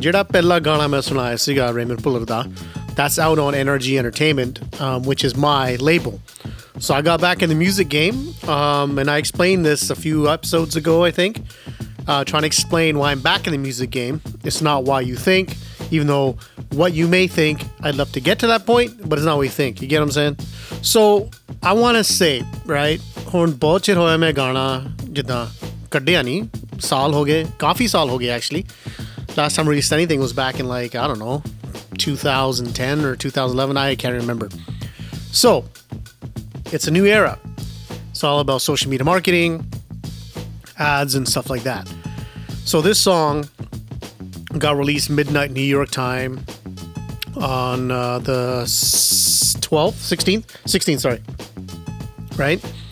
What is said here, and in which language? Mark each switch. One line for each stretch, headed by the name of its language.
Punjabi: ਜਿਹੜਾ ਪਹਿਲਾ ਗਾਣਾ ਮੈਂ ਸੁਣਾਇਆ ਸੀਗਾ Ramon Bhullar ਦਾ,
English: that's out on NRG Entertainment, which is my label. So I got back in the music game, and I explained this a few episodes ago, I think, trying to explain why I'm back in the music game. It's not why you think, even though what you may think, I'd love to get to that point, but it's not what you think. You get what I'm saying? So I want to say, right,
Punjabi: ਹੁਣ ਬਹੁਤ ਚਿਰ ਹੋਇਆ ਮੈਂ ਗਾਣਾ ਜਿੱਦਾਂ ਕੱਢਿਆ ਨਹੀਂ, ਸਾਲ ਹੋ ਗਏ, ਕਾਫੀ ਸਾਲ ਹੋ ਗਏ actually.
English: Last time release anything was back in like I don't know 2010 or 2011, I can't remember. So it's a new era. It's all about social media marketing, ads and stuff like that. So this song got released midnight New York time on the 16th, right?